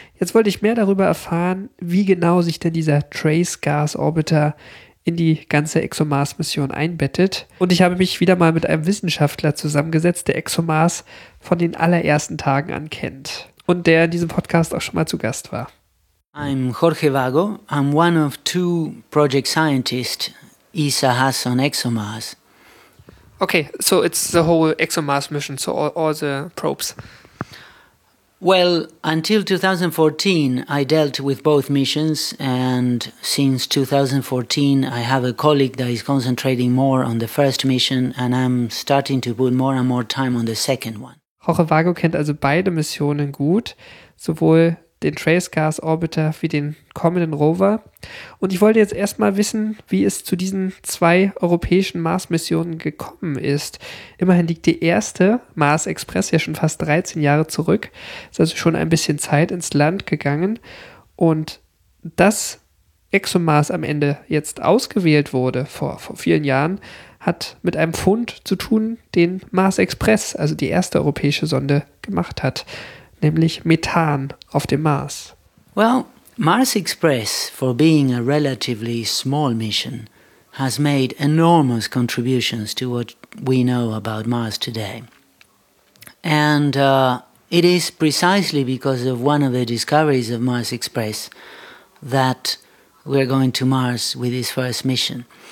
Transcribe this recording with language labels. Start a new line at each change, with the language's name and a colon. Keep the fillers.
German: Jetzt wollte ich mehr darüber erfahren, wie genau sich denn dieser Trace Gas Orbiter in die ganze ExoMars-Mission einbettet. Und ich habe mich wieder mal mit einem Wissenschaftler zusammengesetzt, der ExoMars von den allerersten Tagen an kennt und der in diesem Podcast auch schon mal zu Gast war.
English: I'm Jorge Vago. I'm one of two project scientists ESA has on ExoMars. Okay, so it's the whole ExoMars mission, so all, all, the probes. Well, until 2014, I dealt with both missions, and since 2014, I have a colleague that is concentrating more on the first mission, and I'm starting to put more and more time on the second one.
German: Jorge Vago kennt also beide Missionen gut, sowohl den Trace Gas Orbiter wie den kommenden Rover. Und ich wollte jetzt erstmal wissen, wie es zu diesen zwei europäischen Mars-Missionen gekommen ist. Immerhin liegt die erste Mars Express ja schon fast 13 Jahre zurück. Ist also schon ein bisschen Zeit ins Land gegangen. Und dass ExoMars am Ende jetzt ausgewählt wurde vor, vor vielen Jahren, hat mit einem Fund zu tun, den Mars Express, also die erste europäische Sonde, gemacht hat. nämlich Methan auf Mars.
English: Well, Mars Express, for being a relatively small mission, has made enormous contributions to what we know about Mars today. And uh, it is precisely because of one of the discoveries of Mars Express that we're going to Mars with this first mission.